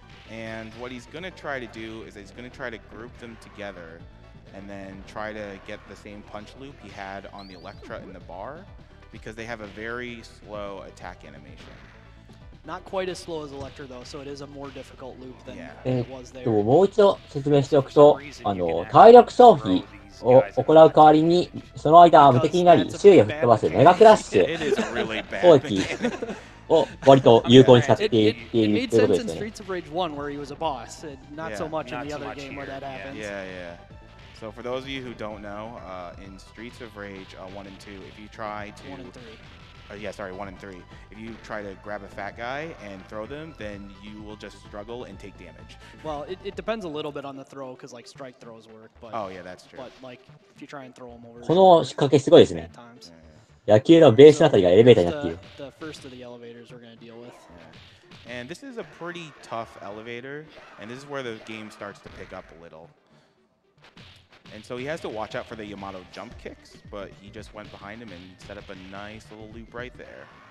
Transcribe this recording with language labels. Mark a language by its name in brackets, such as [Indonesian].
[English] And what he's going to try to do is he's going to try to group them together and then try to get the same punch loop he had on the Electra in the bar, because they have a very slow attack animation. Not quite as slow as Electra though, so it is a more difficult loop than was there. [Japanese] でももう一度説明しておくと、あの体力消費を行う代わりに、その間は無敵になり、周囲を吹っ飛ばすメガクラッシュ攻撃を割と有効に使っているっていうことですね。 [English] Streets of Rage 1, where he was a boss, and not so much in the other game where that happens. Yeah, yeah. So for those of you who don't know, in Streets of Rage 1 and 2, if you try to... 1 and 3. Yeah, sorry, 1 and 3. If you try to grab a fat guy and throw them, then you will just struggle and take damage. Well, it depends a little bit on the throw, because like strike throws work. But, oh, yeah, that's true. But like, if you try and throw them over... [Japanese] この仕掛けすごいですね。野球のベースのあたりがエレベーターになっている。 [English] The first of the elevators we're going to deal with. And this is a pretty tough elevator, and this is where the game starts to pick up a little. And so he has to watch out for the Yamato jump kicks, but he just went behind him and set up a nice little loop right there.